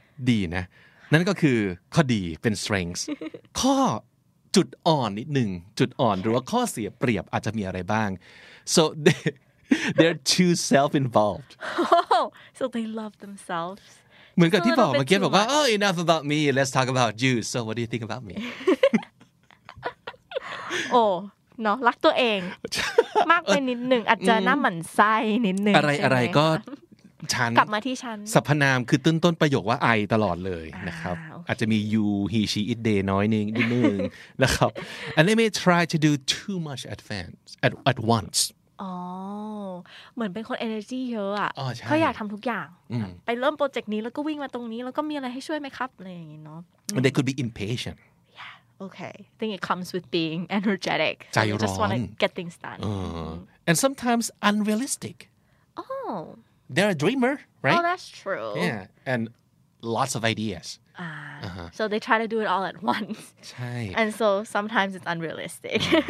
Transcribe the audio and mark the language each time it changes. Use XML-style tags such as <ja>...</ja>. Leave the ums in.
<th>ดีนะนั่นก็คือข้อดีเป็น strength ข้อจุดอ่อนนิดหนึ่งจุดอ่อน หรือว่าข้อเสียเปรียบ อาจจะมีอะไรบ้าง</th> <en>so they're too self involved so they love themselves</en> <th>เหมือนกับที่บอกเมื่อกี้บอกว่า</th> <en>oh enough about me let's talk about you so what do you think about me</en> <th>oh เนาะรักตัวเองมากไปนิดหนึ่งอาจจะน้าหมันไส้นิดหนึ่งอะไรอะไรก็ฉันกลับมาที่ฉัน ส รรพนามคือต้นต้นประโยคว่าไอตลอดเลยนะครับอาจจะมี you he she it day น้อยนึงนิดนึงนะครับ</th> <en>and they may try to do too much at once</en> <th>at at once อ๋อเหมือนเป็นคน energy เยอะอ่ะเขาอยากทำทุกอย่าง ไปเริ่มโปรเจกต์นี้แล้วก็วิ่งมาตรงนี้แล้วก็มีอะไรให้ช่วยไหมครับอะไรอย่างเงี้เนาะ</th> <en>they could be impatient okay. I think it comes with being energetic. I just want to get things done. Uh, and sometimes unrealistic. Oh. They're a dreamer, right? Oh, that's true. Yeah. And lots of ideas. Uh, uh-huh. So they try to do it all at once. and so sometimes it's unrealistic.</en>